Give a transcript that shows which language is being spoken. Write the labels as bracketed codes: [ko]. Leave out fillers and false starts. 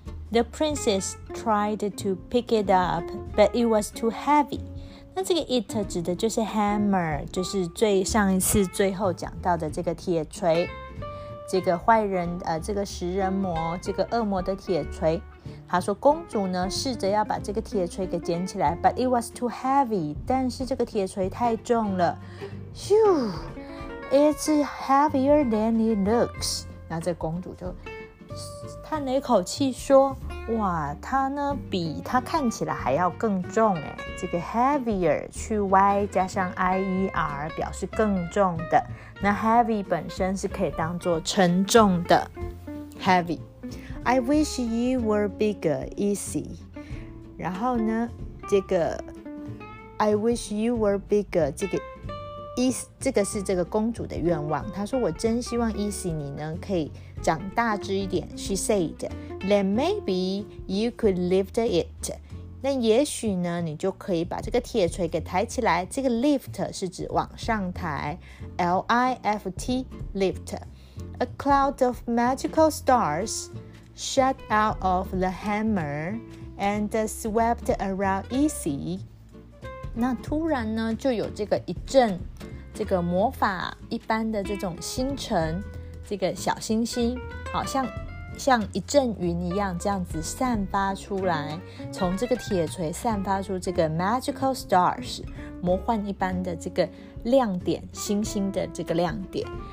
[en] The princess tried to pick it up, but it was too heavy. [zh] 那这个 it 指的就是 hammer， 就是最上一次最后讲到的这个铁锤，这个坏人这个食人魔，这个恶魔的铁锤。他说公主呢试着要把这个铁锤给捡起来， [en] but it was too heavy， [zh] 但是这个铁锤太重了。 [en] Phew， it's heavier than it looks。 [zh] 那这公主就叹了一口气说，哇，它呢比它看起来还要更重耶。这个 heavier 去 y 加上 ier 表示更重的，那 heavy 本身是可以当作沉重的 heavy。 [en] I wish you were bigger, easy。 [zh] 然后呢这个 [en] I wish you were bigger [zh] 这个这个是这个公主的愿望，她说我真希望 Easy 你呢可以长大只一点。 [en] She said Then maybe you could lift it。 [zh] 那也许呢你就可以把这个铁锤给抬起来。这个 lift 是指往上抬， L-I-F-T lift。 [en] A cloud of magical stars shot out of the hammer and swept around Easy。 [zh] 那突然呢就有这个一阵这个魔法一般的这种星辰，这个小星星好像一阵云一样，这样子散发出来，从这个铁锤散发出这个 magical stars 魔幻一般的这个亮点，星星的这个亮点。